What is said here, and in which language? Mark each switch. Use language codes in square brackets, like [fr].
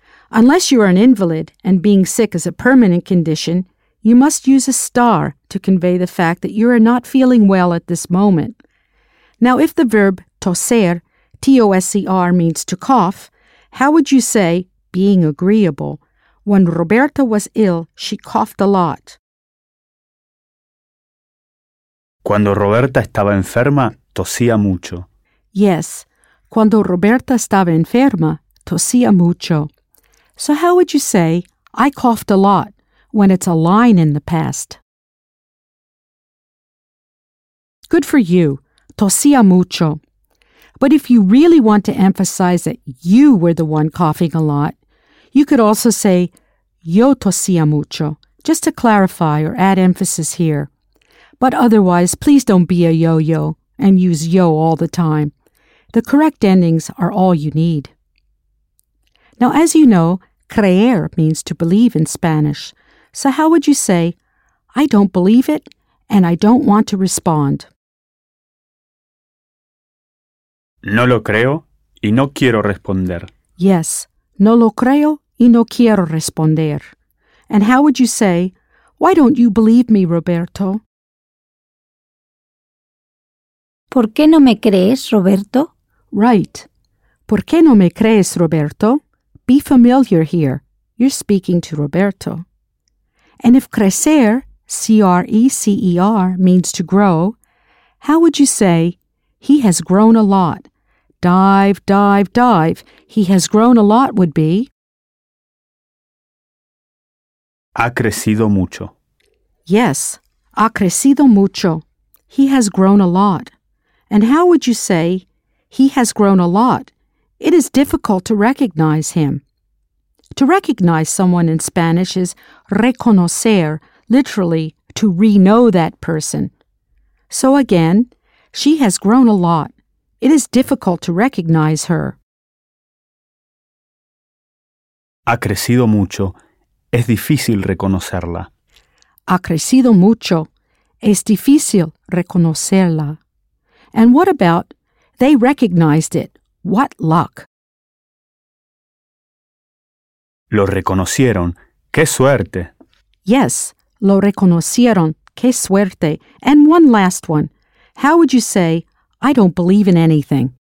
[en] Unless you are an invalid and being sick is a permanent condition, you must use a star to convey the fact that you are not feeling well at this moment. Now, if the verb toser, T-O-S-E-R, means to cough, how would you say, being agreeable, when Roberta was ill, she coughed a lot? [es] Cuando Roberta estaba enferma, tosía mucho. Yes, cuando Roberta estaba enferma, tosía mucho. [en] So how would you say, I coughed a lot, when it's a line in the past? Good for you. [es] Tosía mucho. [en] But if you really want to emphasize that you were the one coughing a lot, you could also say, [es] yo tosía mucho, [en] just to clarify or add emphasis here. But otherwise, please don't be a yo-yo and use yo all the time. The correct endings are all you need. Now, as you know, creer means to believe in Spanish. So how would you say, I don't believe it, and I don't want to respond? [es] No lo creo y no quiero responder. Yes, no lo creo y no quiero responder. [en] And how would you say, why don't you believe me, Roberto? [es] ¿Por qué no me crees, Roberto? [en] Right. [es] ¿Por qué no me crees, Roberto? [en] Be familiar here. You're speaking to Roberto. And if crecer, C-R-E-C-E-R, means to grow, how would you say, he has grown a lot? Dive, dive, dive. He has grown a lot would be? [es] Ha crecido mucho. [en] Yes, [es] ha crecido mucho. [en] He has grown a lot. And how would you say, he has grown a lot? It is difficult to recognize him. To recognize someone in Spanish is reconocer, literally, to re-know that person. So again, she has grown a lot. It is difficult to recognize her. [es] Ha crecido mucho. Es difícil reconocerla. Ha crecido mucho. Es difícil reconocerla. [en] And what about, they recognized it. What luck. [es] Lo reconocieron. ¡Qué suerte! [en] Yes, [es] lo reconocieron. ¡Qué suerte! [en] And one last one. How would you say, I don't believe in anything?